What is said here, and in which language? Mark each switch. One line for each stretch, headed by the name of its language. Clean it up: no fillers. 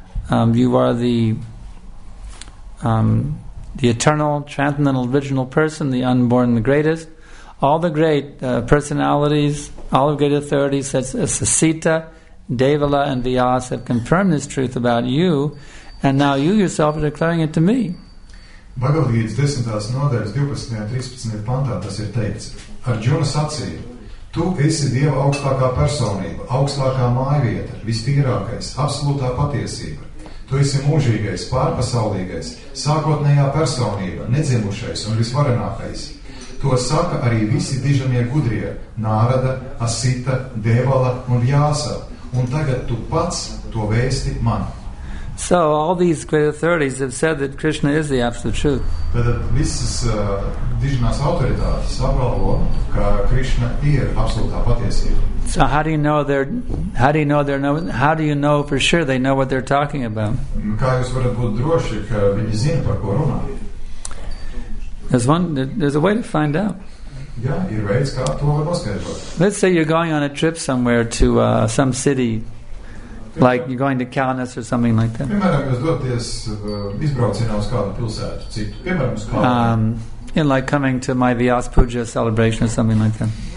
English: You are the eternal, transcendental, original person, the unborn, the greatest. All the great personalities, all the great authorities, such as Sita, Devala, and Vyasa, have confirmed this truth about you, and now you yourself are declaring it to me.
Latvian: Bhagavad Gita 10. Nodaļas 12. 13. Pantā tas ir teikts. Arjuna sacīja, tu esi Dieva augstākā personība, augstākā mājvieta, vistīrākais, absolūtā patiesība. Tu esi mūžīgais, pārpasaulīgais, sākotnējā personība, nedzimušais un visvarenākais. To saka arī visi dižamie gudrie, Nārada, Asita, Devala un Vyasa. Un tagad tu pats to vēsti man.
English: So all these great authorities have said that Krishna is the absolute truth.
Latvian: Tātad visas dižinās autoritātes apgalvo, ka Krishna ir absolūtā patiesība.
English: So how do you know how do you know for sure they know what they're talking about?
Latvian: Kā jūs varat būt droši, ka viņi zina, par ko runā?
English: There's a way to find out.
Latvian: Yeah, ir veids, kā to var noskaidrot.
English: Let's say you're going on a trip somewhere to some city, like you're going to Kaunas or something like that.
Latvian: Piemēram, jūs doties izbraucienā uz kādu pilsētu citu. Piemēram, uz kādu.
English: And like coming to my Vyasa Puja celebration or something like that.